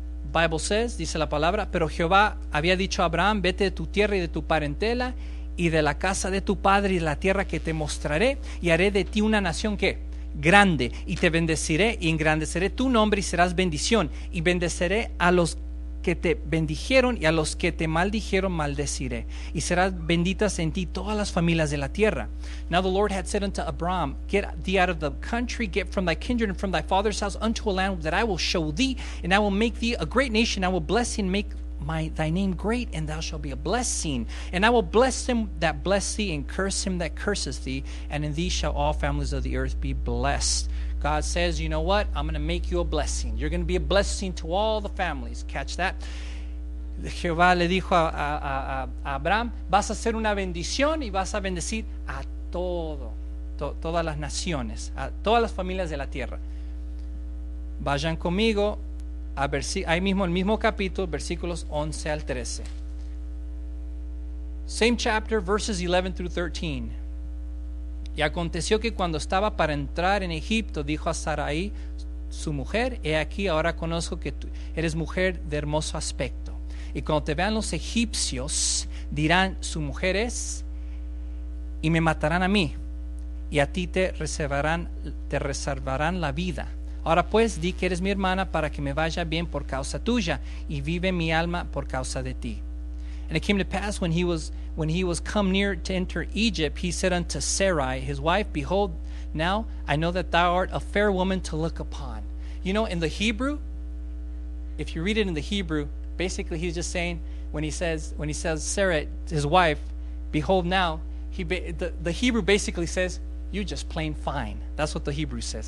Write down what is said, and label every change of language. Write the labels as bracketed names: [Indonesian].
[English] Bible says, [Spanish] dice la palabra, pero Jehová había dicho a Abraham, vete de tu tierra y de tu parentela y de la casa de tu padre y de la tierra que te mostraré, y haré de ti una nación que grande, y te bendeciré y engrandeceré tu nombre y serás bendición, y bendeceré a los que te bendijeron y a los que te maldijeron maldeciré, y serán benditas en ti todas las familias de la tierra. [English] Now the Lord had said unto Abram, get thee out of the country, get from thy kindred and from thy father's house unto a land that I will show thee, and I will make thee a great nation. I will bless thee and make thy name great, and thou shalt be a blessing. And I will bless him that bless thee, and curse him that curses thee, and in thee shall all families of the earth be blessed. God says, you know what? I'm going to make you a blessing. You're going to be a blessing to all the families. Catch that. [Spanish] Jehová le dijo a Abraham, vas a ser una bendición y vas a bendecir a todas las naciones, a todas las familias de la tierra. Vayan conmigo a ver si ahí mismo, el mismo capítulo, versículos 11 al 13. [English] Same chapter, verses 11 through 13. [Spanish] Y aconteció que cuando estaba para entrar en Egipto, dijo a Sarai, su mujer, he aquí, ahora conozco que tú eres mujer de hermoso aspecto. Y cuando te vean los egipcios, dirán, su mujer es, y me matarán a mí, y a ti te reservarán la vida. Ahora pues, di que eres mi hermana para que me vaya bien por causa tuya, y vive mi alma por causa de ti. [English] And it came to pass when he was come near to enter Egypt, he said unto Sarai, his wife, behold, now I know that thou art a fair woman to look upon. You know, in the Hebrew, if you read it in the Hebrew, basically he's just saying, when he says Sarai, his wife, behold now, the Hebrew basically says, you're just plain fine. That's what the Hebrew says.